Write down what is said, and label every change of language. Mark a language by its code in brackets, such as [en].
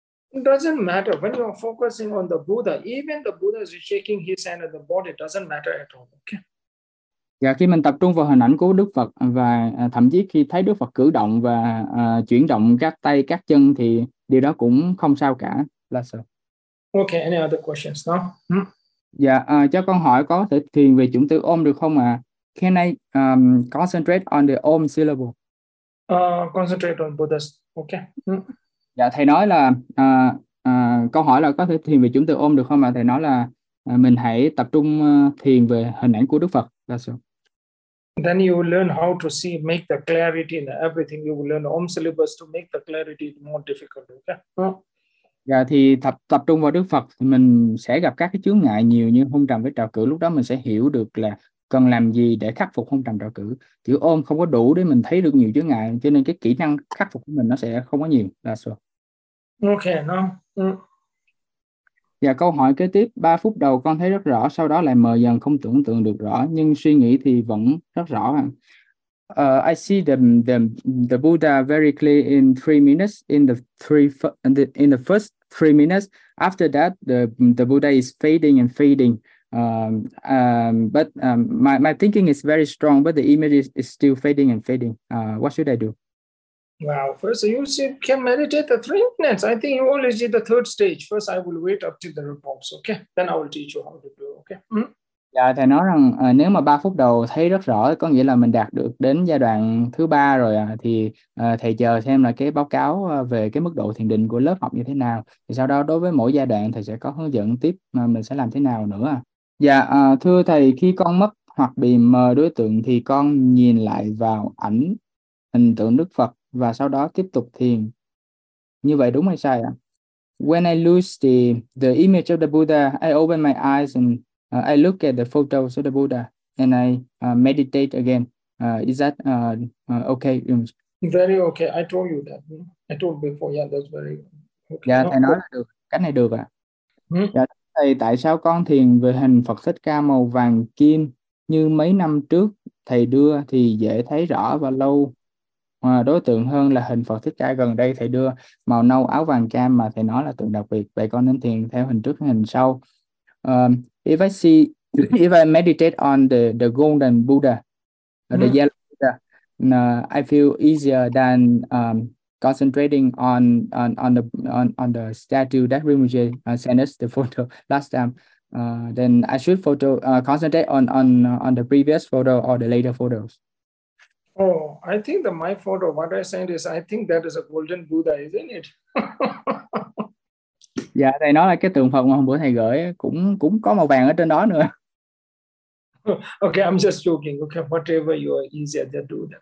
[en] It doesn't matter when you are focusing on the Buddha, even the Buddha is shaking his hand at the body, it doesn't matter at all. Okay. [vi] Dạ, khi mình tập trung vào hình ảnh của Đức Phật và thậm chí khi thấy Đức Phật cử động và chuyển động các tay, các chân thì điều đó cũng không sao cả, là sao? [en] Okay, any other questions now? [vi] Dạ, cho con hỏi có thể thiền về chủng từ ôm được không ạ? [en] Can I concentrate on the ôm syllable? Concentrate on Buddhist. Okay. [vi] Dạ, thầy nói là, câu hỏi là có thể thiền về chủng từ ôm được không ạ? Thầy nói là mình hãy tập trung thiền về hình ảnh của Đức Phật. [en] That's Then you will learn how to see, make the clarity in everything. You will learn Om syllables to make the clarity more difficult. Okay? [vi] Dạ, thì tập trung vào Đức Phật thì mình sẽ gặp các cái chướng ngại nhiều như hung trầm với trào cử, lúc đó mình sẽ hiểu được là cần làm gì để khắc phục hung trầm trào cử. Chữ ôm không có đủ để mình thấy được nhiều chướng ngại, cho nên cái kỹ năng khắc phục của mình nó sẽ không có nhiều. [en] That's all. Okay, no. [vi] Và câu hỏi kế tiếp, 3 phút đầu con thấy rất rõ, sau đó lại mờ dần không tưởng tượng được rõ, nhưng suy nghĩ thì vẫn rất rõ. [en] I see the Buddha very clear in 3 minutes, in the first 3 minutes. After that, the Buddha is fading and fading. But my thinking is very strong, but the image is still fading and fading. What should I do? Wow, first you see, can meditate the 3 minutes. I think you only see the third stage. First, I will wait up to the reports. Okay, then I will teach you how to do. Okay. [vi] Dạ, thầy nói rằng nếu mà 3 phút đầu thấy rất rõ có nghĩa là mình đạt được đến giai đoạn thứ ba rồi à, thì thầy chờ xem là cái báo cáo về cái mức độ thiền định của lớp học như thế nào, thì sau đó đối với mỗi giai đoạn thầy sẽ có hướng dẫn tiếp mình sẽ làm thế nào nữa. Dạ, thưa thầy, khi con mất hoặc bị mờ đối tượng thì con nhìn lại vào ảnh hình tượng Đức Phật và sau đó tiếp tục thiền, như vậy đúng hay sai ạ? [en] When I lose the image of the Buddha, I open my eyes and I look at the photos of the Buddha and I meditate again. Is that okay? Very okay. I told you that. I told before. Yeah, that's very okay. [vi] Dạ, [en] No, [vi] thầy nói là được. Cách này được ạ. Hmm? Dạ, thầy, tại sao con thiền về hình Phật Thích Ca màu vàng kim như mấy năm trước thầy đưa thì dễ thấy rõ và lâu đối tượng hơn là hình Phật Thích Ca gần đây thầy đưa màu nâu áo vàng cam mà thầy nói là tượng đặc biệt. Vậy con nên thiền theo hình trước hay hình sau? [en] If I meditate on the golden Buddha, the yellow Buddha, I feel easier than concentrating on the statue that Rinpoche sent us the photo last time. Then I should photo concentrate on the previous photo or the later photos. Oh, I think that my photo, what I sent is, I think that is a golden Buddha, isn't it? [vi] Dạ, thầy nói là cái tượng Phật mà hôm bữa thầy gửi cũng cũng có màu vàng ở trên đó nữa. [en] Okay, I'm just joking. Okay, whatever you are easier to do that.